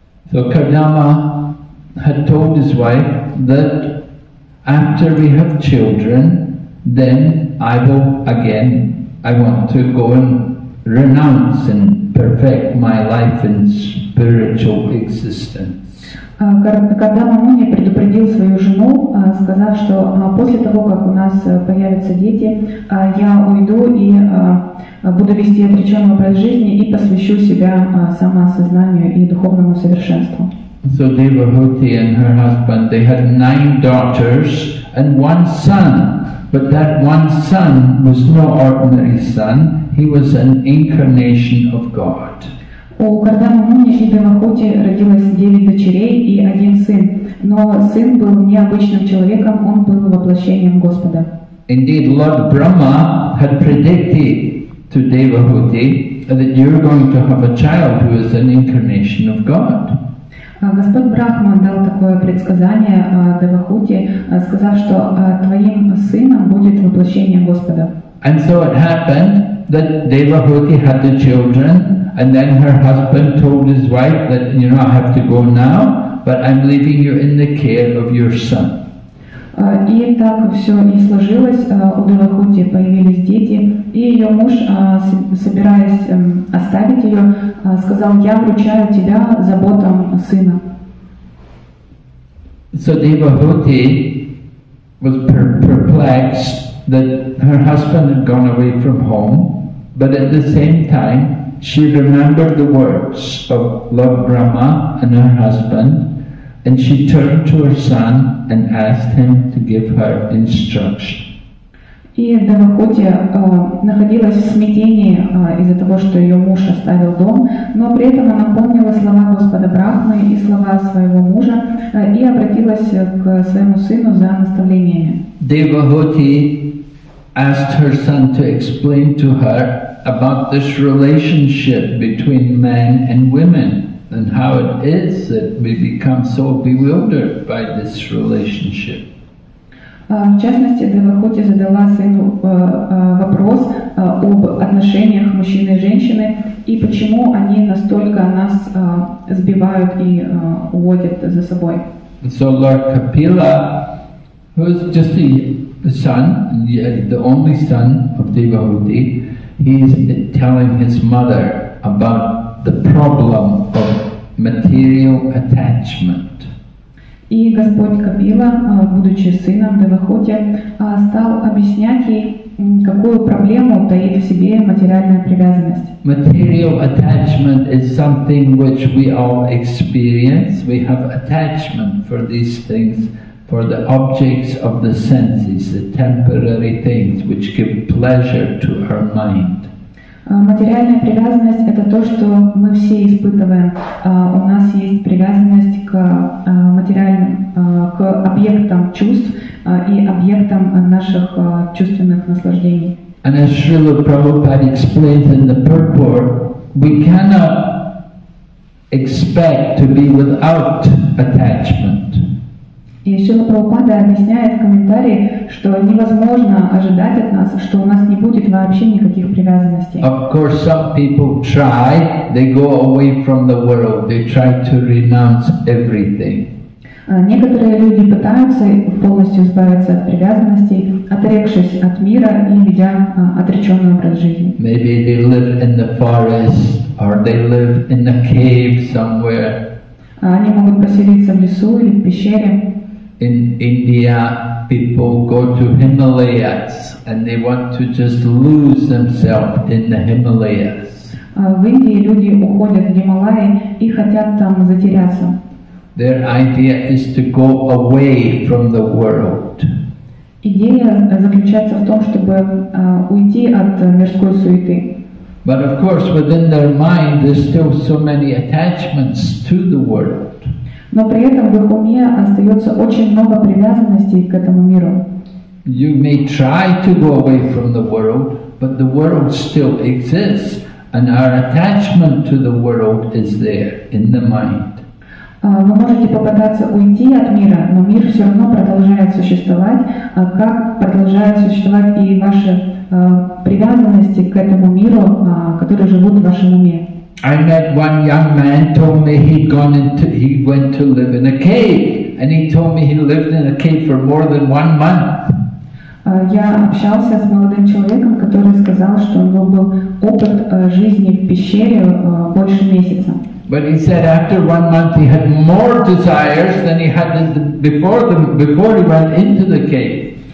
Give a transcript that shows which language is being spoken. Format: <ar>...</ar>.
<en>So Kardama had told his wife that after we have children, then I will again, I want to go and renounce and perfect my life in spiritual existence.</en> <ru>Кардама Муни предупредил свою жену, сказав, что после того, как у нас появятся дети, я уйду и буду вести отреченный образ жизни и посвящу себя самосознанию и духовному совершенству.</ru> <en>So Devahuti and her husband, they had 9 daughters and 1 son. But that one son was no ordinary son. He was an incarnation of God.</en> <ru>У Кардама Муни и Девахути родилось 9 дочерей и 1 сын. Но сын был необычным человеком, он был воплощением Господа.</ru> <en>Indeed, Lord Brahma had predicted to Devahuti that you're going to have a child who is an incarnation of God.</en> <ru>Господь Брахма дал такое предсказание Девахути, сказав, что твоим сыном будет воплощение Господа.</ru> <en>And so it happened that Devahuti had the children, and then her husband told his wife that, you know, I have to go now, but I'm leaving you in the care of your son.</en> <ru>И так все и сложилось, у Девахути появились дети, и ее муж, собираясь оставить ее, сказал, я вручаю тебя заботам сына.</ru> <en>So Devahuti was perplexed that her husband had gone away from home, but at the same time she remembered the words of Lord Brahma and her husband, and she turned to her son and asked him to give her instruction.</en> <ru>И Девахути находилась в смятении из-за того, что ее муж оставил дом, но при этом она помнила слова Господа Брахмы и слова своего мужа и обратилась к своему сыну за наставлениями.</ru> <en>Devahuti asked her son to explain to her about this relationship between men and women, and how it is that we become so bewildered by this relationship.</en> <ru>В частности, Девахути задала сыну вопрос об отношениях мужчины и женщины, и почему они настолько нас сбивают и уводят за собой.</ru> <en>So Lord Kapila, who is just the son, the only son of Devahuti, he is telling his mother about the problem of material attachment.</en> <ru>И Господь Капила, будучи сыном Девахути, стал объяснять ей, какую проблему таит в себе материальная привязанность.</ru> <en>Material attachment is something which we all experience. We have attachment for these things, for the objects of the senses, the temporary things which give pleasure to our mind.</en> <ru>Материальная привязанность — это то, что мы все испытываем. У нас есть привязанность к материальным, к объектам чувств и объектам наших чувственных наслаждений.</ru> <en>And as Srila Prabhupada explains in the purport, we cannot expect to be without attachment.</en> <ru>И Шрила Прабхупада объясняет в комментарии, что невозможно ожидать от нас, что у нас не будет вообще никаких привязанностей.</ru> <en>Of course, some people try, they go away from the world, they try to renounce everything.</en> <ru>Некоторые люди пытаются полностью избавиться от привязанностей, отрекшись от мира и ведя отреченный образ жизни.</ru> <en>Maybe they live in the forest, or they live in a cave somewhere.</en> <ru>Они могут поселиться в лесу или в пещере.</ru> <en>In India, people go to Himalayas and they want to just lose themselves in the Himalayas.</en> <ru>В Индии люди уходят в Гималаи и хотят там затеряться.</ru> <en>Their idea is to go away from the world.</en> <ru>Идея заключается в том, чтобы уйти от мирской суеты.</ru> <en>But of course, within their mind, there's still so many attachments to the world.</en> <ru>Но при этом в их уме остается очень много привязанностей к этому миру.</ru> <en>You may try to go away from the world, but the world still exists, and our attachment to the world is there in the mind.</en> <ru>Вы можете попытаться уйти от мира, но мир все равно продолжает существовать. Как продолжают существовать и ваши привязанности к этому миру, которые живут в вашем уме?</ru> <en>I met one young man told me he'd gone into he went to live in a cave, and he told me he lived in a cave for more than one month.</en> <ru>Я общался с молодым человеком, который сказал, что у него был опыт жизни в пещере больше месяца.</ru> <en>But he said after one month he had more desires than he had before he went into the cave.</en>